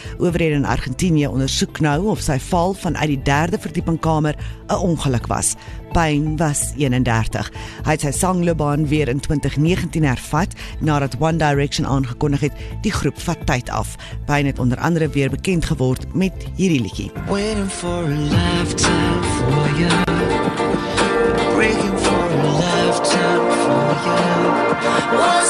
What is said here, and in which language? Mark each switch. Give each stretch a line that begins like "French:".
Afrikaans: Owerhede in Argentinië ondersoek nou of sy val vanuit die derde verdieping kamer 'n ongeluk was. Payne was 31. Hy het sy sangloopbaan weer in 2019 hervat nadat One Direction aangekondig het die groep vat tyd af. Payne het onder andere weer bekend geword met hierdie liedjie.
English: Waiting for a lifetime for you. Waiting for a lifetime for you.